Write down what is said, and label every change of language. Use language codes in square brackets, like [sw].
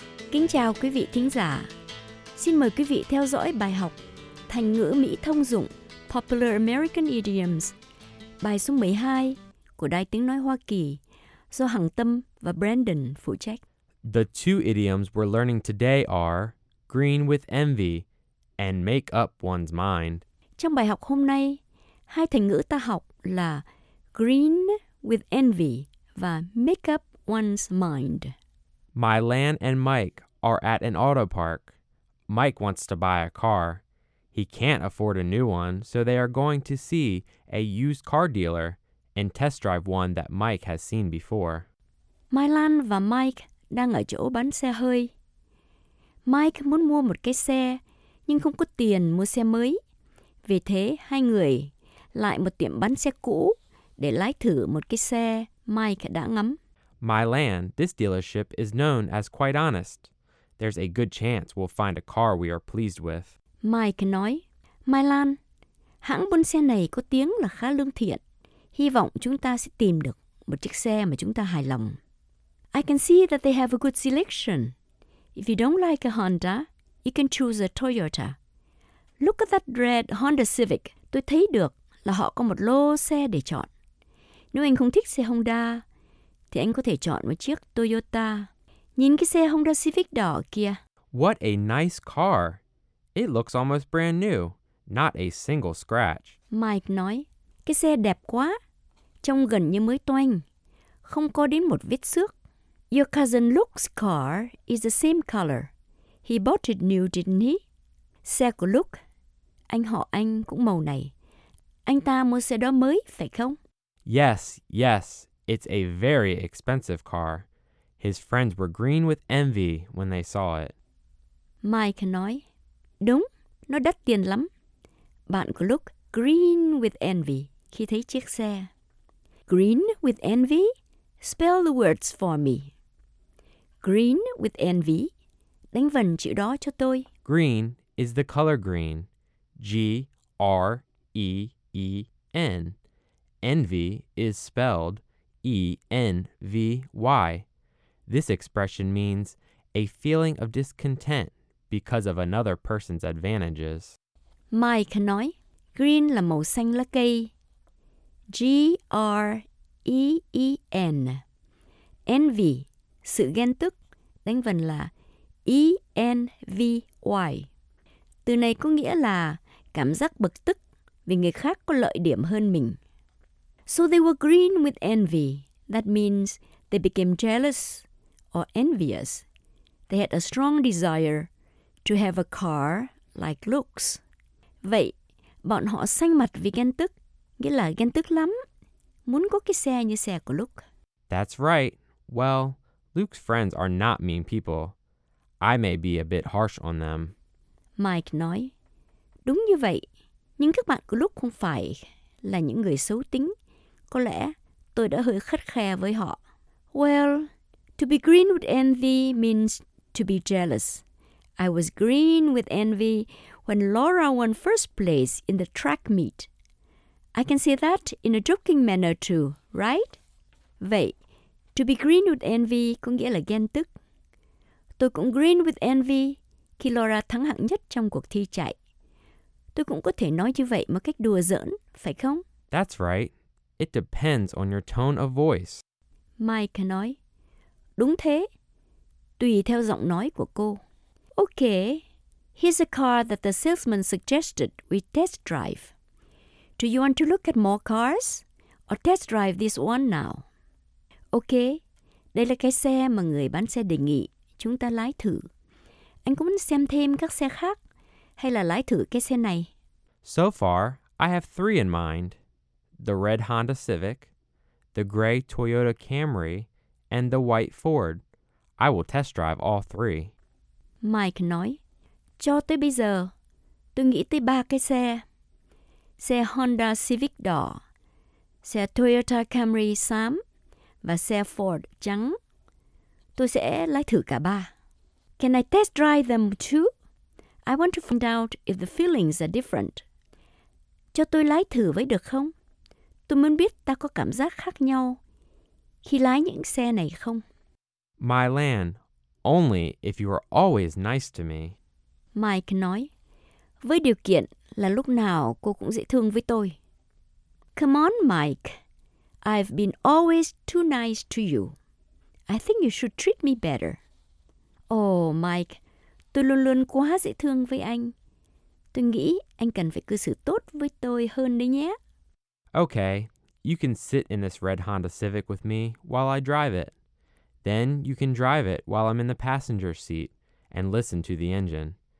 [vi] Kính chào quý vị thính giả. Xin mời quý vị theo dõi bài học thành ngữ Mỹ thông dụng [en] Popular American Idioms, [vi] bài số 12 của Đài Tiếng Nói Hoa Kỳ do Hằng Tâm và Brandon phụ trách. [en] The two idioms we're learning today are green with envy and make up one's mind. [vi] Trong bài học hôm nay, hai thành ngữ ta học là [en] green with envy [vi] và [en] make up one's mind. My Lan and Mike are at an auto park. Mike wants to buy a car. He can't afford a new one, so they are going to see a used car dealer and test drive one that Mike has seen before. [vi] My Lan và Mike đang ở chỗ bán xe hơi. Mike muốn mua một cái xe, nhưng không có tiền mua xe mới. Vì thế, hai người lại một tiệm bán xe cũ để lái thử một cái xe Mike đã ngắm. [en] My Lan, this dealership is known as quite honest. There's a good chance we'll find a car we are pleased with. [vi] Mike nói, My Lan, hãng buôn xe này có tiếng là khá lương thiện. Hy vọng chúng ta sẽ tìm được một chiếc xe mà chúng ta hài lòng. [en] I can see that they have a good selection. If you don't like a Honda, you can choose a Toyota. Look at that red Honda Civic. [vi] Tôi thấy được là họ có một lô xe để chọn. Nếu anh không thích xe Honda, thì anh có thể chọn một chiếc Toyota. Nhìn cái xe Honda Civic đỏ kia. [en] What a nice car. It looks almost brand new. Not a single scratch. [vi] Mike nói, cái xe đẹp quá. Trông gần như mới toanh. Không có đến một vết xước. [en] Your cousin Luke's car is the same color. He bought it new, didn't he? [vi] Xe của Luke, anh họ anh cũng màu này. Anh ta mua xe đó mới, phải không? [en] Yes, yes. It's a very expensive car. His friends were green with envy when they saw it. [vi] Mike nói, đúng, nó đắt tiền lắm. Bạn của Luke [en] green with envy [vi] khi thấy chiếc xe. [en] Green with envy? Spell the words for me. Green with envy? [vi] Đánh vần chữ đó cho tôi. [en] Green is the color green. G-R-E-E-N. Envy is spelled E-N-V-Y. This expression means a feeling of discontent because of another person's advantages. [vi] Mike nói, green là màu xanh lá cây. G-R-E-E-N. Envy, sự ghen tức, đánh vần là E-N-V-Y. Từ này có nghĩa là cảm giác bực tức vì người khác có lợi điểm hơn mình. [en] So they were green with envy. That means they became jealous or envious. They had a strong desire to have a car like Luke's. [vi] Vậy, bọn họ xanh mặt vì ghen tức, nghĩa là ghen tức lắm, muốn có cái xe như xe của Luke. [en] That's right. Well, Luke's friends are not mean people. I may be a bit harsh on them. [vi] Mike nói, đúng như vậy, nhưng các bạn của Luke không phải là những người xấu tính. Có lẽ tôi đã hơi khắt khe với họ. [en] Well, to be green with envy means to be jealous. I was green with envy when Laura won first place in the track meet. I can say that in a joking manner too, right? [vi] Vậy, [en] to be green with envy [vi] có nghĩa là ghen tức. Tôi cũng [en] green with envy [vi] khi Laura thắng hạng nhất trong cuộc thi chạy. Tôi cũng có thể nói như vậy một cách đùa giỡn, phải không? [en] That's right. It depends on your tone of voice. [vi] Mike nói, đúng thế, tùy theo giọng nói của cô. [en] Okay, here's a car that the salesman suggested we test drive. Do you want to look at more cars or test drive this one now? [vi] Okay, đây là cái xe mà người bán xe đề nghị chúng ta lái thử. Anh có muốn xem thêm các xe khác hay là lái thử cái xe này? [en] So far, I have three in mind. The red Honda Civic, the gray Toyota Camry, and the white Ford. I will test drive all three. [vi] Mike nói, cho tới bây giờ, tôi nghĩ tới ba cái xe. Xe Honda Civic đỏ, xe Toyota Camry xám và xe Ford trắng. Tôi sẽ lái thử cả ba. [en] Can I test drive them too? I want to find out if the feelings are different. [vi] Cho tôi lái thử với được không? Tôi muốn biết ta có cảm giác khác nhau khi lái những xe này không? [en] My land, only if you are always nice to me. [vi] Mike nói, với điều kiện là lúc nào cô cũng dễ thương với tôi. [en] Come on, Mike. I've been always too nice to you. I think you should treat me better. Oh, Mike, [vi] tôi luôn luôn quá dễ thương với anh. Tôi nghĩ anh cần phải cư xử tốt với tôi hơn đấy nhé. [en] Okay, you can sit in this red Honda Civic with me while I drive it. Then you can drive it while I'm in the passenger seat and listen to the engine.